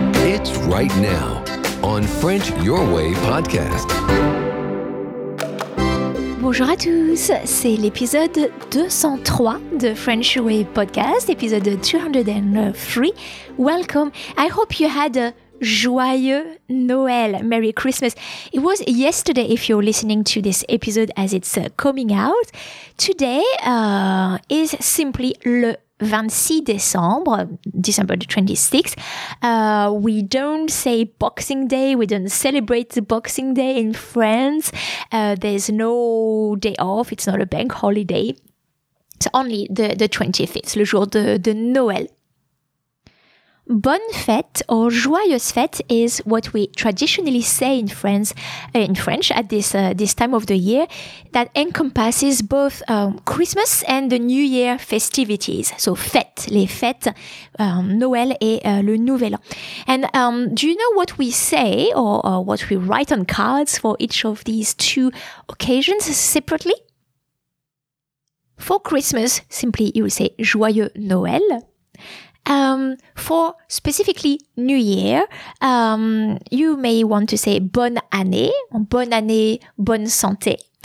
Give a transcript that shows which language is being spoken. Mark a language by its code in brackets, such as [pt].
[en] It's right now on French Your Way podcast. [fr] Bonjour à tous, c'est l'épisode 203 de French Way podcast, épisode 203. [en] Welcome. I hope you had a [fr] joyeux Noël, [en] Merry Christmas. It was yesterday if you're listening to this episode as it's coming out. Today is simply [fr] le 26 décembre, [en] December the 26th. We don't say Boxing Day, we don't celebrate the Boxing Day in France. There's no day off, it's not a bank holiday. It's only the 25th, [fr] le jour de Noël. Bonne fête [en] or [fr] joyeuse fête [en] is what we traditionally say in French at this time of the year that encompasses both Christmas and the New Year festivities. So [fr] fête, les fêtes, Noël et le Nouvel An. [en] And do you know what we say or what we write on cards for each of these two occasions separately? For Christmas, simply you will say [fr] joyeux Noël. [en] For specifically New Year, you may want to say [fr] bonne année, bonne santé.